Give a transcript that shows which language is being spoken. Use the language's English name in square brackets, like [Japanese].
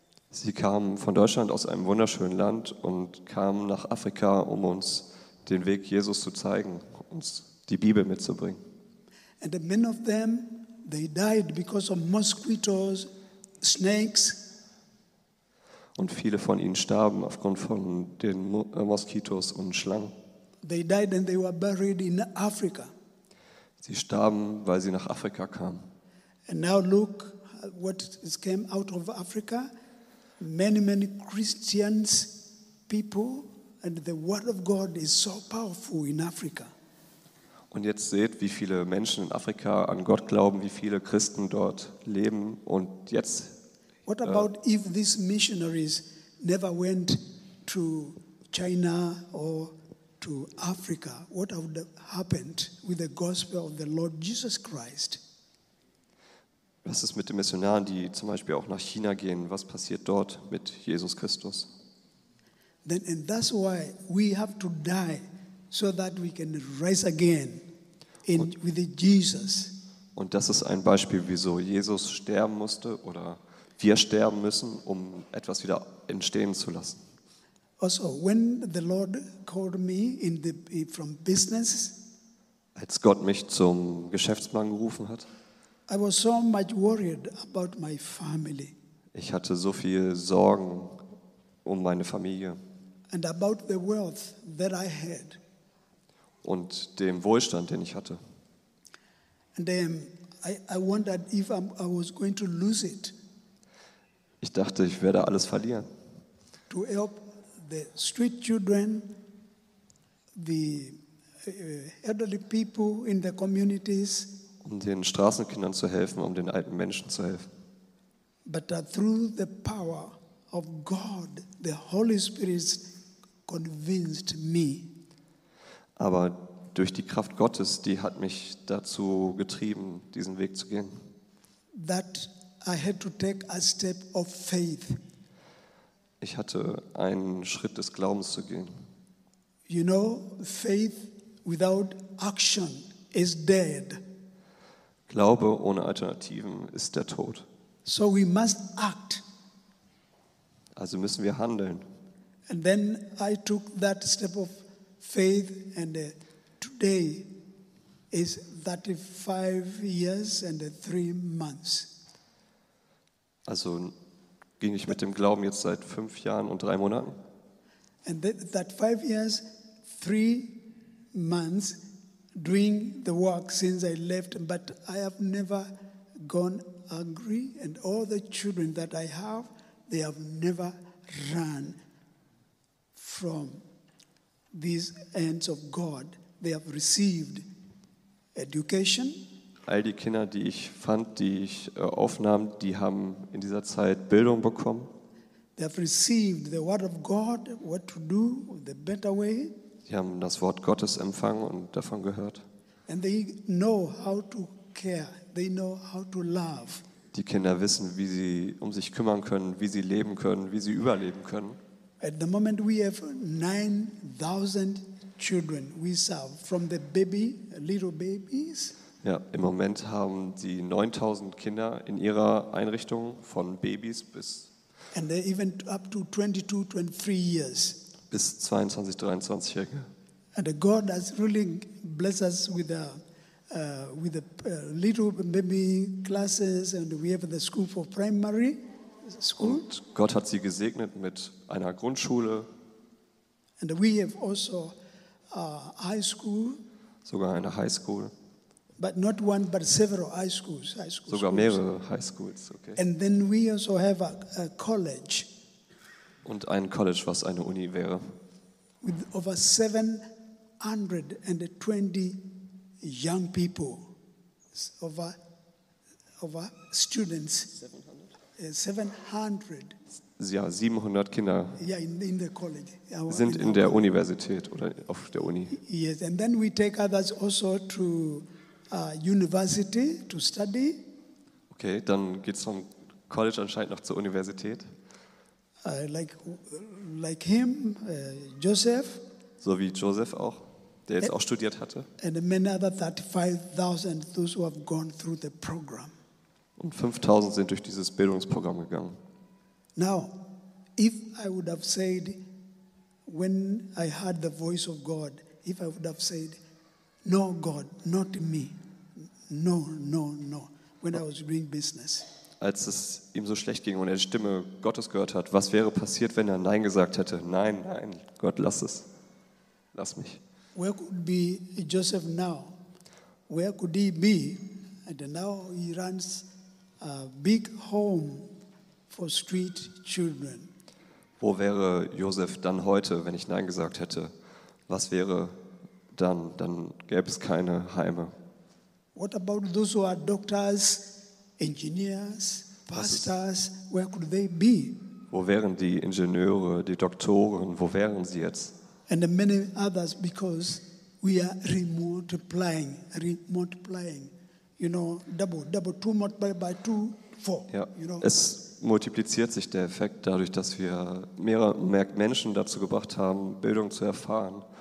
[German] Sie kamen von Deutschland aus einem wunderschönen Land und kamen nach Afrika, um uns den Weg Jesus zu zeigen, uns die Bibel mitzubringen. [English] And many of them, they died because of mosquitoes, snakes. [German] Und viele von ihnen starben aufgrund von den Moskitos und Schlangen. [English] They died and they were buried in Africa. [German] Sie starben, weil sie nach Afrika kamen. [English] And now look what came out of Africa. Many, many Christians, people, and the word of God is so powerful in Africa. [German] Und jetzt seht, wie viele Menschen in Afrika an Gott glauben, wie viele Christen dort leben. Und jetzt. [English] What about if these missionaries never went to China or to Africa? What would have happened with the gospel of the Lord Jesus Christ? [German] Was ist mit den Missionaren, die zum Beispiel auch nach China gehen? Was passiert dort mit Jesus Christus? [English] Then and that's why we have to die, so that we can rise again in with Jesus. [German] Und das ist ein Beispiel, wieso Jesus sterben musste oder wir sterben müssen, um etwas wieder entstehen zu lassen. [English] Also, when the Lord called me in the from business, [German] als Gott mich zum Geschäftsmann gerufen hat, [English] I was so much worried about my family. [German] Ich hatte so viel Sorgen um meine Familie. [English] And about the wealth that I had. [German] Und dem Wohlstand, den ich hatte. [English] And I wondered if I was going to lose it. [German] Ich dachte, ich werde alles verlieren. [English] To help the street children, the elderly people in the communities. [German] Um den Straßenkindern zu helfen, um den alten Menschen zu helfen. [English] But through the power of God, the Holy Spirit convinced me. [German] Aber durch die Kraft Gottes, die hat mich dazu getrieben, diesen Weg zu gehen. [English] That I had to take a step of faith. [German] Ich hatte einen Schritt des Glaubens zu gehen. [English] You know, faith without action is dead. [German] Glaube ohne Alternativen ist der Tod. [English] So we must act. [German] Also müssen wir handeln. [English] And then I took that step of faith, and today is 35 years and 3 months. [German] Also ging ich mit dem Glauben jetzt seit 5 Jahren und 3 Monaten. [English] And that 5 years, 3 months doing the work since I left, but I have never gone hungry, and all the children that I have, they have never run from these hands of God. They have received education. [German] All die Kinder, die ich fand, die ich aufnahm, die haben in dieser Zeit Bildung bekommen. [English] They have received the word of God, what to do, the better way. [German] Die haben das Wort Gottes empfangen und davon gehört. [English] And they know how to care. They know how to love. [German] Die Kinder wissen, wie sie um sich kümmern können, wie sie leben können, wie sie überleben können. [English] At the moment we have 9,000 children we serve, from the baby, little babies. [German] Ja, im Moment haben die 9,000 Kinder in ihrer Einrichtung, von Babys bis. [English] And they even up to 22, 23 years. [German] Bis 22, 23 Jahre. [English] And God has really blessed us with a little baby classes, and we have the school for primary school. [German] Und Gott hat sie gesegnet mit einer Grundschule. [English] And we have also high school. [German] Sogar eine High School. [English] But not one, but several high schools. High school [German] sogar [English] schools. [German] Mehrere High Schools, okay. [English] And then we also have a college. [German] Und ein College, was eine Uni wäre. [English] With over 720 young people, over students. 700. [German] Ja, 700 Kinder [English] yeah, in the college, [German] sind in der Universität oder auf der Uni. [English] Yes, and then we take others also to university to study. [German] Okay, dann geht's vom College anscheinend noch zur Universität. [English] Like him, Joseph. [German] So wie Joseph auch, der jetzt auch studiert hatte. [English] And many other 35,000 those who have gone through the program. [German] Und 5,000 sind durch dieses Bildungsprogramm gegangen. [English] Now, if I would have said, when I heard the voice of God, if I would have said, no God, not me, no, no, no, when I was doing business. [German] Als es ihm so schlecht ging und er die Stimme Gottes gehört hat, was wäre passiert, wenn er Nein gesagt hätte? Nein, nein, Gott, lass es, lass mich. [English] Where could be Joseph now? Where could he be? And now he runs a big home for street children. [German] Wo wäre Josef dann heute, wenn ich Nein gesagt hätte? Was wäre dann gäbe es keine Heime. [English] What about those who are doctors, engineers, pastors? Where could they be? [German] Wo wären die Ingenieure, die Doktoren, wo wären sie jetzt? [English] And many others, because we are remultiplying, you know, double, two multiplied by two, four. [German] Ja, [English] you know? [German] Es multipliziert sich der Effekt dadurch, dass wir mehr Menschen dazu gebracht haben, Bildung zu erfahren.